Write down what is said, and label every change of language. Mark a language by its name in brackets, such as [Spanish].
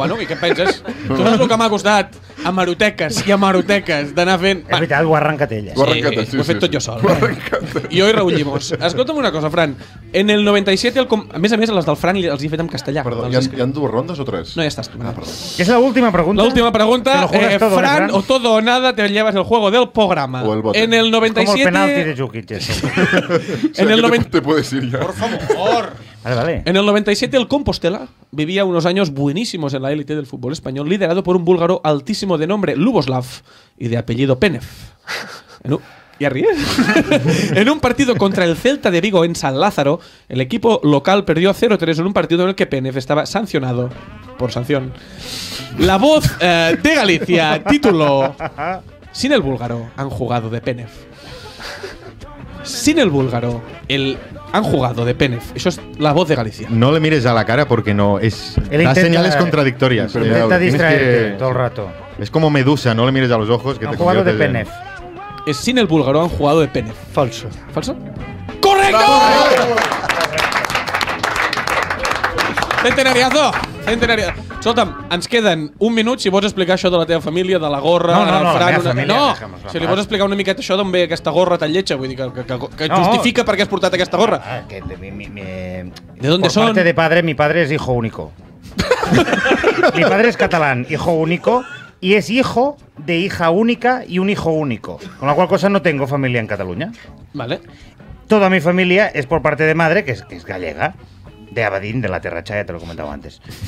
[Catalan] Bueno, i què penses? Tu saps el que m'ha costat? Amb aroteques, d'anar fent... És veritat, ho arrencat ell. Sí. Ho he fet tot jo sol. Ho arrencat. Jo i Raúl Llimós. Escolta'm una cosa, Fran. En el 97... A més, les del Fran els he fet en castellà. Perdó, hi ha dues rondes o tres? No, ja estàs tu. Ah, perdó. És l'última pregunta? L'última pregunta. [Spanish] Fran, o todo o nada, te llevas el juego del programa. O el bote. En el 97... [Catalan] És com el penalti de Jukic, això. [Spanish] En el 97... Te puedes ir ya. Por favor. Vale. En el 97 el Compostela vivía unos años buenísimos en la élite del fútbol español, liderado por un búlgaro altísimo de nombre Luboslav y de apellido Penev. ¿Ya ríes? En un partido contra el Celta de Vigo en San Lázaro, el equipo local perdió 0-3 en un partido en el que Penev estaba sancionado por sanción. La voz de Galicia, título. Sin el búlgaro han jugado de Penev. Sin el búlgaro, el han jugado de Penev. Eso es la voz de Galicia. No le mires a la cara porque no es... Da señales contradictorias. Intenta distraerte todo el rato. Es como Medusa, no le mires a los ojos. Han jugado de Penev. Es sin el búlgaro, han jugado de Penev. Falso. ¿Falso? ¡Correcto! ¡Centenariazo! ¡Centenariazo! [Catalan] Soltam, ens queden un minut si vols explicar això de la teva família, de la gorra... No, la meva família... Si li vols explicar una miqueta això d'on ve aquesta gorra tan lletja, vull dir que no. Justifica per què has portat aquesta gorra. De son? [Spanish] Parte de padre, mi padre es hijo único. Mi padre es catalán, hijo único, y es hijo de hija única y un hijo único. Con la cual cosa no tengo familia en Cataluña. Vale. Toda mi familia es por parte de madre, que es gallega, de Abadín, de la Terracha, ya te lo he comentado antes.